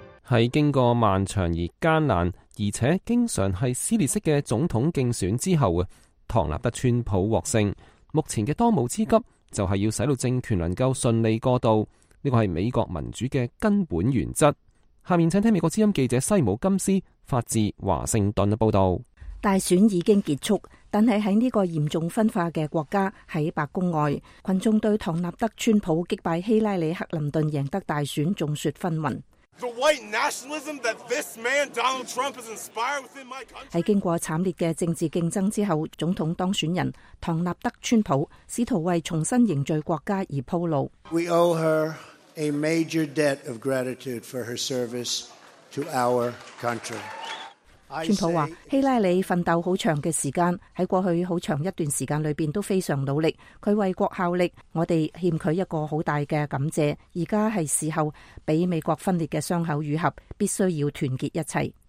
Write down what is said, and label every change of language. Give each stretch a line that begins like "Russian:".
Chinese: 在经过漫长而艰难而且经常是撕裂式的总统竞选之后，唐纳德川普获胜，目前的当务之急就是要使到政权能够顺利过渡，这个是美国民主的根本原则。下面请听美国之音记者西姆金斯发自华盛顿的报道。大选已经结束，但是在这个严重分化的国家，在白宫外群众对唐纳德川普击败希拉里克林顿赢得大选众说纷纭。
English: The white nationalism that this man, Donald Trump, has inspired within my country.
Chinese: 在经过惨烈的政治竞争之后，总统当选人唐纳德川普试图为重新凝聚国家而铺路。
English: We owe her a major debt of gratitude for her service to our country.
Chinese: 川普说，希拉里奋斗很长的时间，在过去很长一段时间里面都非常努力，他为国效力，我们欠他一个很大的感谢，现在是时候被美国分裂的伤口愈合，必须要团结一切。